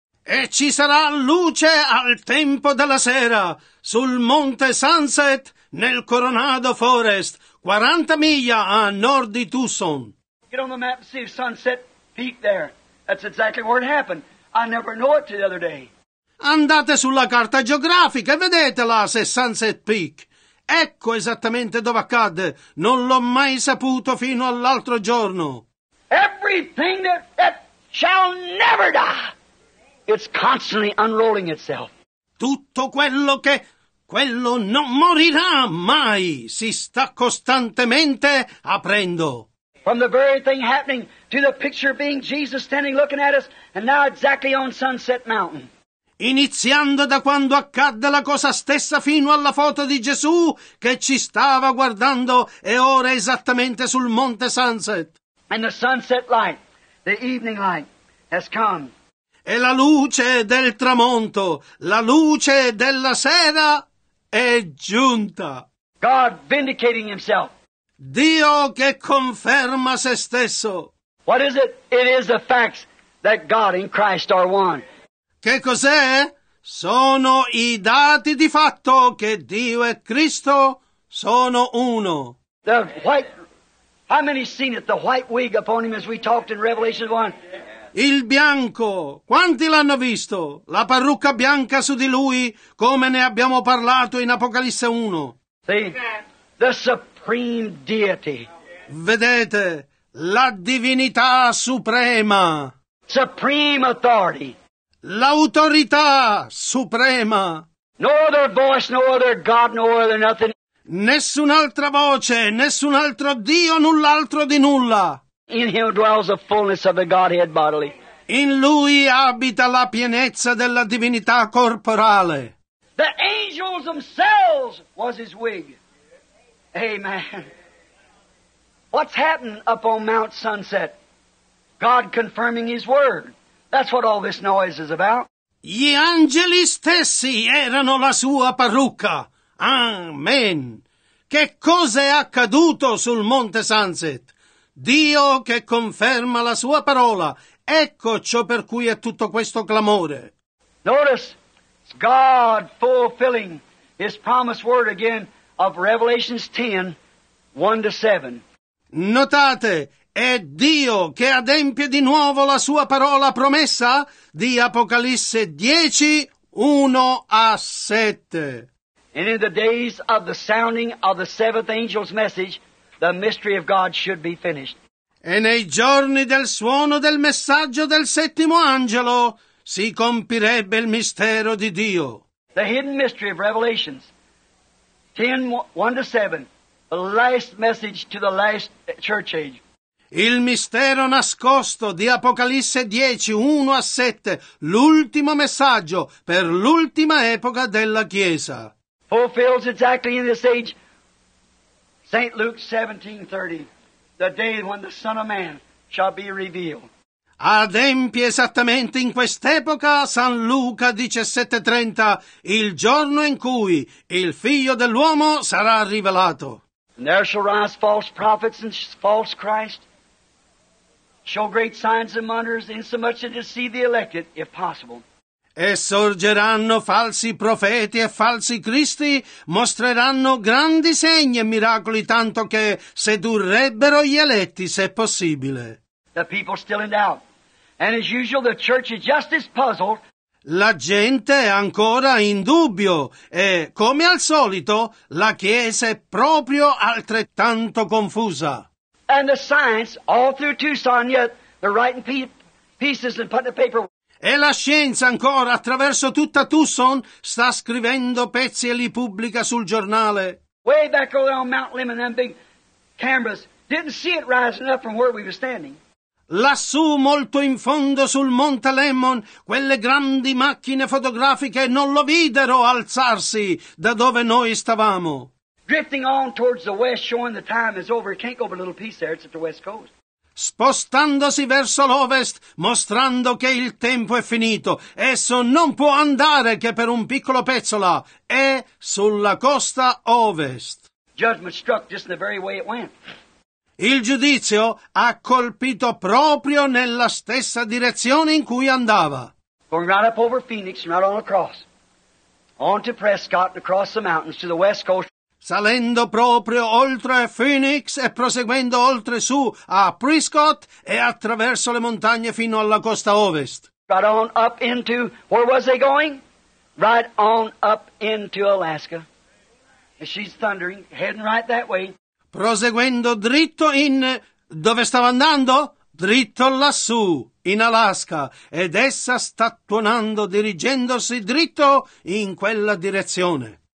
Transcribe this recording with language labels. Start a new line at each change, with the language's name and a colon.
Italian: E ci sarà luce al tempo della sera sul Monte Sunset nel Coronado Forest, 40 miglia a nord di Tucson.
English: Get on the map and see if Sunset Peak there. That's exactly where it happened. I never knew it till the other day.
Italian: Andate sulla carta geografica e vedetela se Sunset Peak. Ecco esattamente dove accadde. Non l'ho mai saputo fino all'altro giorno.
English: Everything that shall never die. It's constantly unrolling itself.
Italian: Tutto quello non morirà mai, si sta costantemente aprendo.
English: From the very thing happening to the picture being Jesus standing looking at us and now exactly on Sunset Mountain.
Italian: Iniziando da quando accadde la cosa stessa fino alla foto di Gesù che ci stava guardando e ora esattamente sul Monte Sunset.
English: And the sunset light, the evening light has come.
Italian: E la luce del tramonto, la luce della sera è giunta.
English: God vindicating himself.
Italian: Dio che conferma se stesso.
English: What is it? It is the facts that God and Christ are one.
Italian: Che cos'è? Sono i dati di fatto che Dio e Cristo sono uno.
English: The white, how many seen it? The white wig upon him as we talked in Revelation 1.
Italian: Il bianco, quanti l'hanno visto? La parrucca bianca su di lui, come ne abbiamo parlato in Apocalisse 1.
English: See, the supreme deity.
Italian: Vedete, la divinità suprema.
English: Supreme authority.
Italian: L'autorità suprema.
English: No other voice, no other God, no other nothing.
Italian: Nessun'altra voce, nessun altro Dio, null'altro di nulla.
English: In him dwells the fullness of the Godhead bodily.
Italian: In lui abita la pienezza della divinità corporale.
English: The angels themselves was his wig. Amen. What's happened up on Mount Sunset? God confirming his word. That's what all this noise is about.
Italian: Gli angeli stessi erano la sua parrucca. Amen. Che cosa è accaduto sul Monte Sunset? Dio che conferma la sua parola. Ecco ciò per cui è tutto questo clamore.
English: Notice, it's God fulfilling his promised word again of Revelations 10, 1-7.
Italian: Notate, è Dio che adempie di nuovo la sua parola promessa di Apocalisse 10, 1-7.
English: And in the days of the sounding of the seventh angel's message, the mystery of God should be finished.
Italian: E nei giorni del suono del messaggio del settimo angelo si compirebbe il mistero di Dio.
English: The hidden mystery of Revelations 10:1-7, the last message to the last church age.
Italian: Il mistero nascosto di Apocalisse 10:1-7, l'ultimo messaggio per l'ultima epoca della Chiesa.
English: Fulfills exactly in this age St. Luke 17:30, the day when the Son of Man shall be revealed.
Italian: Adempie esattamente in quest'epoca San Luca 17:30, il giorno in cui il Figlio dell'uomo sarà rivelato.
English: And there shall rise false prophets and false Christ, show great signs and wonders, insomuch as deceive the elected, if possible.
Italian: E sorgeranno falsi profeti e falsi cristi, mostreranno grandi segni e miracoli, tanto che sedurrebbero gli eletti, se possibile.
English: The people still in doubt. And as usual, the church is just as puzzled.
Italian: La gente è ancora in dubbio, e, come al solito, la Chiesa è proprio altrettanto confusa.
English: And the science, all through Tucson, yet they're writing pieces and putting the paper.
Italian: E la scienza ancora, attraverso tutta Tucson, sta scrivendo pezzi e li pubblica sul giornale.
English: Way back over on Mount Lemmon, them big cameras, didn't see it rising up from where we were standing.
Italian: Lassù, molto in fondo, sul Monte Lemmon, quelle grandi macchine fotografiche non lo videro alzarsi da dove noi stavamo.
English: Drifting on towards the west, showing the time is over. It can't go but a little piece there, it's at the west coast.
Italian: Spostandosi verso l'ovest, mostrando che il tempo è finito. Esso non può andare che per un piccolo pezzo là. È sulla costa ovest.
English: Judgment struck just in the very way it went.
Italian: Il giudizio ha colpito proprio nella stessa direzione in cui andava.
English: Going right up over Phoenix and right on across. On to Prescott and across the mountains to the west coast.
Italian: Salendo proprio oltre Phoenix e proseguendo oltre su a Prescott e attraverso le montagne fino alla costa ovest.
English: Right on up into, where was they going? Right on up into Alaska. And she's thundering, heading right that way.
Italian: Proseguendo dritto in, dove stava andando? Dritto lassù, in Alaska. Ed essa sta tuonando, dirigendosi dritto in quella direzione.